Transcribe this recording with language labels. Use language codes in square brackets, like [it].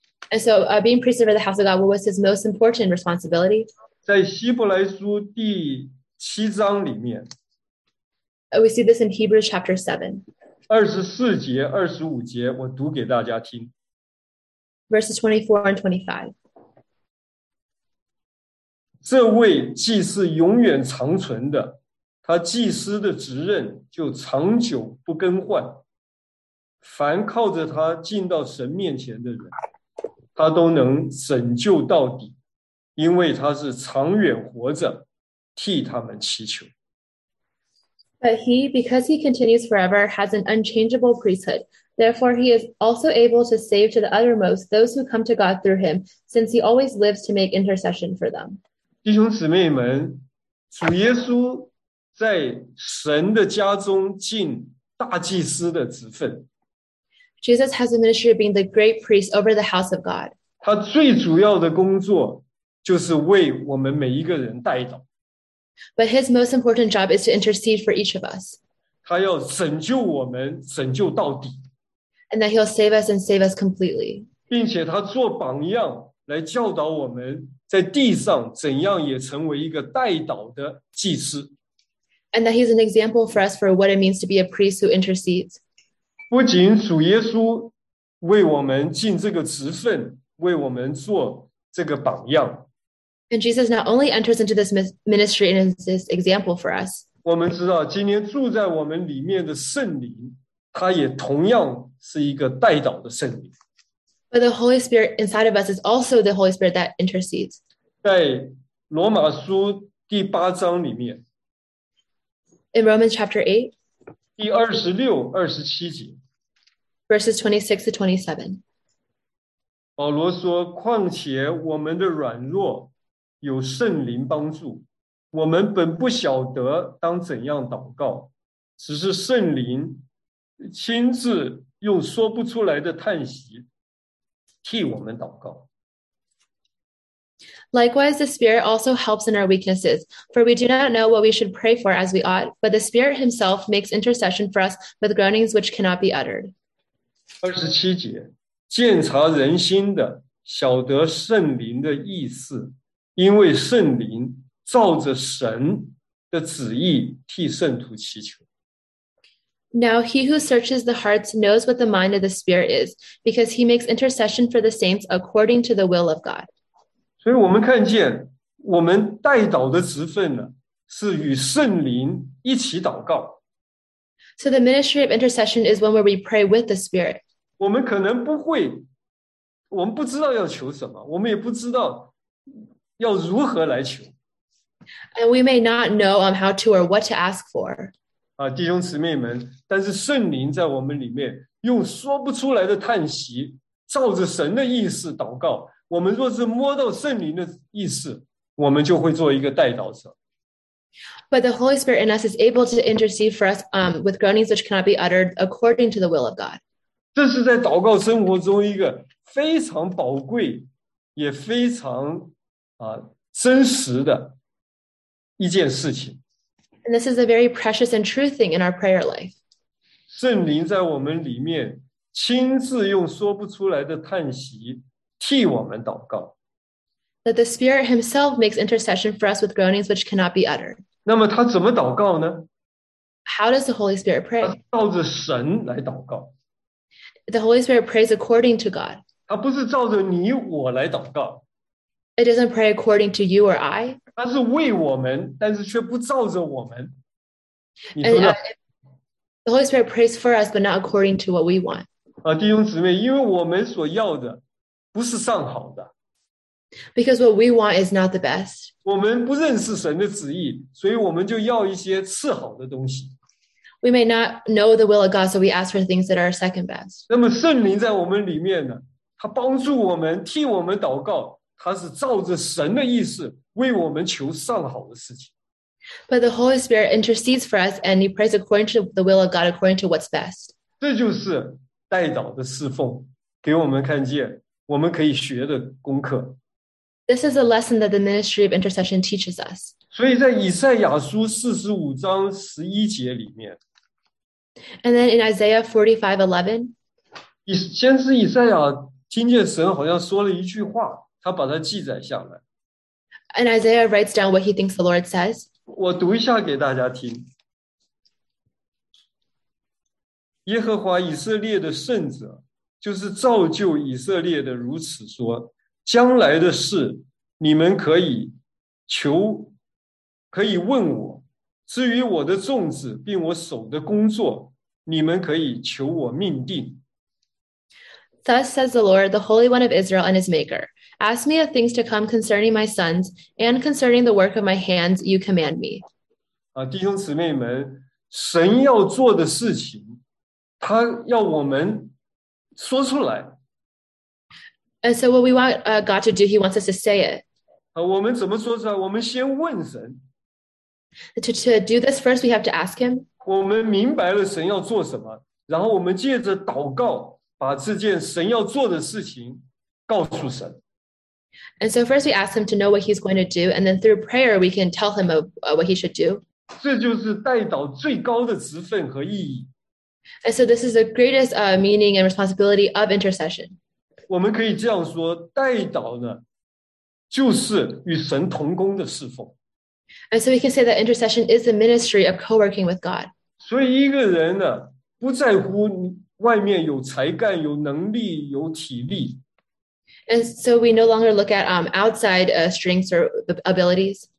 [en] And so being priest over the house of God, what was his most important responsibility? [zh] 在希伯来书第七章里面。 [en] We see this in Hebrews chapter 7. [zh] 24节、25节，我读给大家听。 [en] Verses 24 and 25. [zh] 这位祭司永远长存的，他祭司的职任就长久不更换。凡靠着他进到神面前的人，他都能拯救到底，因为他是长远活着，替他们祈求。 [en] But he, because he continues forever, has an unchangeable priesthood. Therefore, he is also able to save to the uttermost those who come to God through him, since he always lives to make intercession for them. [zh] 弟兄姊妹们，主耶稣在神的家中尽大祭司的职分。 [en] Jesus has a ministry of being the great priest over the house of God. [zh] 他最主要的工作就是为我们每一个人代祷。 [en] But his most important job is to intercede for each of us. [zh] 他要拯救我们，拯救到底。 [en] And that he'll save us and save us completely. [zh] 并且他做榜样来教导我们在地上怎样也成为一个代祷的祭司。 [en] And that he's an example for us for what it means to be a priest who intercedes. [zh] 不仅主耶稣为我们尽这个职分，为我们做这个榜样。 [en] And Jesus not only enters into this ministry and is this example for us. [zh] 我们知道今天住在我们里面的圣灵，他也同样是一个代祷的圣灵。 [en] But the Holy Spirit inside of us is also the Holy Spirit that intercedes. [zh] 在罗马书第八章里面 [en] In Romans chapter 8, [zh] 第二十六、二十七节 [en] verses 26 to 27, [zh] 保罗说，况且我们的软弱有圣灵帮助，我们本不晓得当怎样祷告，只是圣灵亲自用说不出来的叹息替我们祷告。 [en] Likewise, the Spirit also helps in our weaknesses, for we do not know what we should pray for as we ought, but the Spirit himself makes intercession for us with groanings which cannot be uttered. [zh] 27节，鉴察人心的，晓得圣灵的意思，因为圣灵照着神的旨意替圣徒祈求。 [en] Now he who searches the hearts knows what the mind of the Spirit is, because he makes intercession for the saints according to the will of God. [zh] 所以我们看见我们代祷的职分呢，是与圣灵一起祷告。 [en] So the ministry of intercession is one where we pray with the Spirit. [zh] 我们可能不会，我们不知道要求什么，我们也不知道要如何来求。 [en] And we may not know how to or what to ask for. [zh] 啊，弟兄姊妹们，但是圣灵在我们里面用说不出来的叹息照着神的意思祷告，我们若是摸到圣灵的意思，我们就会做一个代祷者。 [en] But the Holy Spirit in us is able to intercede for us with groanings which cannot be uttered according to the will of God. [zh] 这是在祷告生活中一个非常宝贵也非常真实的一件事情。 [en] And this is a very precious and true thing in our prayer life. [zh] 圣灵在我们里面亲自用说不出来的叹息替我们祷告。 [en] That the Spirit himself makes intercession for us with groanings which cannot be uttered. [zh] 那么他怎么祷告呢？ [en] How does the Holy Spirit pray? [zh] 他照着神来祷告。 [en] The Holy Spirit prays according to God. [zh] 他不是照着你我来祷告。 [en] It doesn't pray according to you or I. [zh] 他是为我们，但是却不照着我们。 [en] And the Holy Spirit prays for us, but not according to what we want. [zh] 弟兄姊妹，因为我们所要的不是上好的。 [en] Because what we want is not the best. [zh] 我们不认识神的旨意，所以我们就要一些次好的东西。 [en] We may not know the will of God, so we ask for things that are second best. [zh] 那么圣灵在我们里面呢，他帮助我们，替我们祷告。他是照着神的意思为我们求上好的事情。 [en] But the Holy Spirit intercedes for us and he prays according to the will of God, according to what's best. [zh] 这就是代祷的侍奉给我们看见我们可以学的功课。 [en] This is a lesson that the ministry of intercession teaches us. [zh] 所以在以赛亚书45章11节里面。 [en] And then in Isaiah 45:11, [zh] 先是以赛亚听见神好像说了一句话。他把它记载下来。 And Isaiah writes down what he thinks the Lord says. 我读一下给大家听。耶和华以色列的圣者，就是造就以色列的，如此说：将来的事，你们可以求，可以问我；至于我的种子，并我手的工作，你们可以求我命定。 [en] Thus says the Lord, the Holy One of Israel and his Maker, ask me of things to come concerning my sons, and concerning the work of my hands, you command me. [zh] 弟兄姊妹们，神要做的事情，他要我们说出来。 [en] And so what we want God to do, he wants us to say it. [zh] 我们怎么说出来？我们先问神。 [en] To do this first, we have to ask him. [zh] 我们明白了神要做什么，然后我们借着祷告把这件神要做的事情告诉神。 [en] And so first we ask him to know what he's going to do, and then through prayer we can tell him what he should do. [zh] 这就是代祷最高的职分和意义。 [en] And so this is the greatest meaning and responsibility of intercession. [zh] 我们可以这样说，代祷呢，就是与神同工的侍奉。 [en] And so we can say that intercession is the ministry of co-working with God. [zh] 所以一个人呢，不在乎你外面有才干、有能力、有体力。 [en] And so we no longer look at outside strengths or abilities.